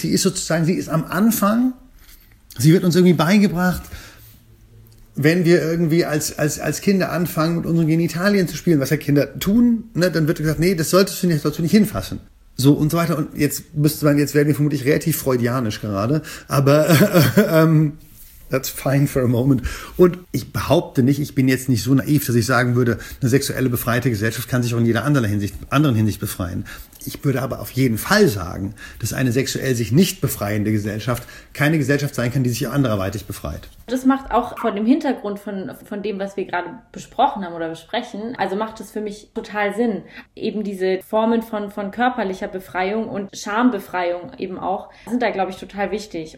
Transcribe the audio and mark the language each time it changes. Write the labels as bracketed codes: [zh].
[de] Sie ist sozusagen, sie ist am Anfang. Sie wird uns irgendwie beigebracht. Wenn wir irgendwie als Kinder anfangen, mit unseren Genitalien zu spielen, was ja Kinder tun, ne, dann wird gesagt, nee, das solltest du nicht hinfassen. So und so weiter. Und jetzt werden wir vermutlich relativ freudianisch gerade. Aber [en] that's fine for a moment. [de] Und ich behaupte nicht, ich bin jetzt nicht so naiv, dass ich sagen würde, eine sexuelle befreite Gesellschaft kann sich auch in jeder anderen Hinsicht befreien. Ich würde aber auf jeden Fall sagen, dass eine sexuell sich nicht befreiende Gesellschaft keine Gesellschaft sein kann, die sich anderweitig befreit. Das macht auch vor dem Hintergrund von dem, was wir gerade besprochen haben oder besprechen, also macht es für mich total Sinn, eben diese Formen von körperlicher Befreiung und Schambefreiung eben auch, sind da, glaube ich, total wichtig.